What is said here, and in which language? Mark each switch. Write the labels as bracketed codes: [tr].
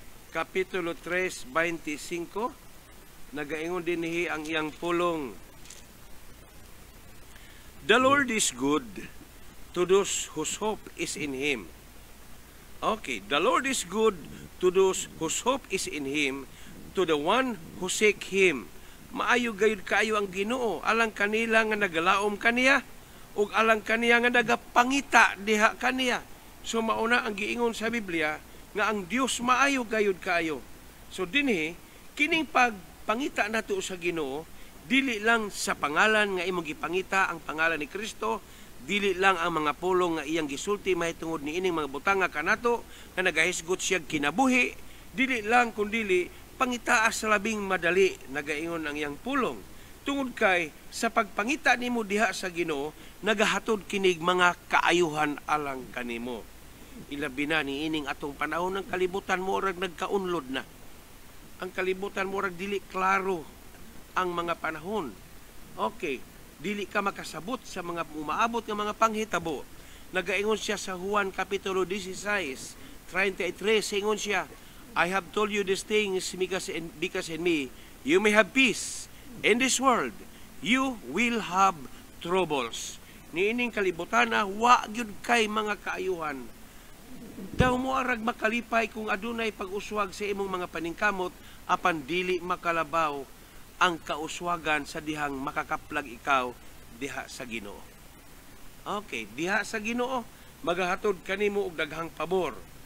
[ceb] Kapitulo 3:25, nagaingon dinhi ang iyang pulong, [en] the Lord is good to those whose hope is in him. Okay, the Lord is good to those whose hope is in Him, to the one who seek Him. [ceb] Maayo gayud kaayo ang Ginoo, alang kanila nga nagalaom kaniya, ug alang kaniya nga nagapangita diha kaniya. So mauna ang giingon sa Biblia nga ang Dios maayo gayud kaayo. So dinhi kining pagpangita nato sa Ginoo dili lang sa pangalan nga imong gipangita ang pangalan ni Kristo, dili lang ang mga pulong nga iyang gisulti mahitungod ni ining mga butanga kanato nga nagahisgot siyang kinabuhi, dili lang kundili pangitaa sa labing madali nagaingon ang iyang pulong. Tungod kay sa pagpangita nimo diha sa Ginoo nagahatod kinig mga kaayuhan alang kanimo. Ilabi na ni ining atong panahon ang kalibutan mo rag nagkaunlod na. Ang kalibutan mo rag dili klaro ang mga panahon. Okay, dili ka makasabot sa mga umaabot ng mga panghitabo. Nagaingon siya sa Juan Kapitulo 16:33, singon siya, [en] I have told you these things because in me, you may have peace. In this world, you will have troubles. [ceb] Niining kalibutan na wagyod kay mga kaayuhan. Daw mo arag makalipay kung adunay pag-uswag sa imong mga paningkamot apan dili makalabaw ang kauswagan sa dihang makakaplag ikaw diha sa Ginoo. Okay, diha sa Ginoo magahatod kanimo og daghang pabor.